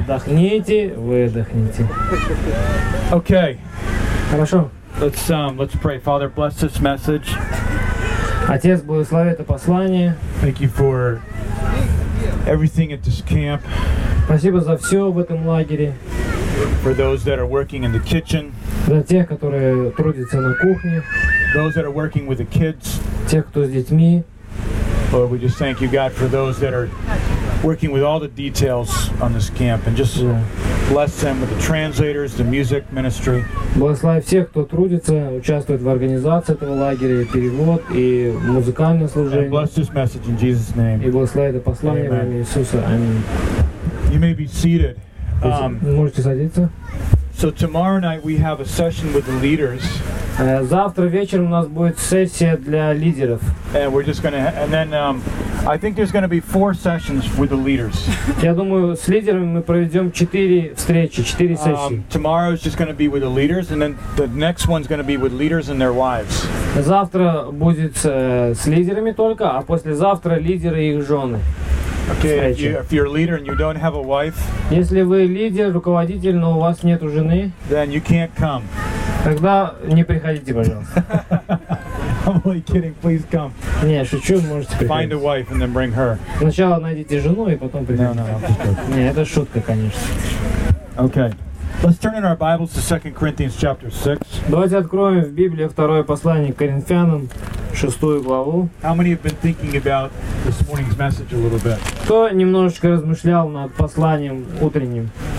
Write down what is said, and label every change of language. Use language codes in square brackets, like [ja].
[ru] Вдохните, выдохните. [en] Okay. [ru] Хорошо. [en] Let's pray. Father, bless this message. [ru] Отец, благослови это послание. [en] Thank you for everything at this camp. [ru] Спасибо за все в этом лагере. [en] For those that are working in the kitchen. [ru] За тех, которые трудятся на кухне. [en] Those that are working with the kids. [ru] Тех, кто с детьми. [en] Lord, we just thank you, God, for those that are working with all the details on this camp, and just bless them with the translators, the music ministry. [ru] Благослови всех, кто трудится, участвует в организации этого лагеря, перевод и музыкальное служение. [en] And bless this message in Jesus' name. [ru] И благослови это послание во имя Иисуса. Аминь. [en] You may be seated. [ru] Можете садиться. [en] So tomorrow night we have a session with the leaders. [ru] Завтра вечером у нас будет сессия для лидеров. [en] And we're just gonna I think there's gonna be 4 sessions with the leaders. [ru] Я думаю, с лидерами мы проведем 4 встречи, 4 сессии. [en] Tomorrow is just gonna be with the leaders, and then the next one's gonna be with leaders and their wives. [ru] Завтра будет с лидерами только, а послезавтра лидеры и их жены. [en] Okay, if you're a leader and you don't have a wife, [ru] если вы лидер, руководитель, но у вас нет жены, [en] then you can't come. [ru] Тогда не приходите, пожалуйста. [en] I'm only kidding, please come. [ru] Не, шучу, можете приходить. [en] Find a wife and then bring her. [ru] Сначала найдите жену и потом приходите. [en] No, [ru] не, это шутка, конечно. [en] Okay. Let's turn in our Bibles to 2 Corinthians chapter 6. [ru] Давайте откроем в Библии второе послание к Коринфянам, шестую главу. [en] How many have been thinking about this morning's message a little bit? [ru] Кто немножечко размышлял над посланием утренним?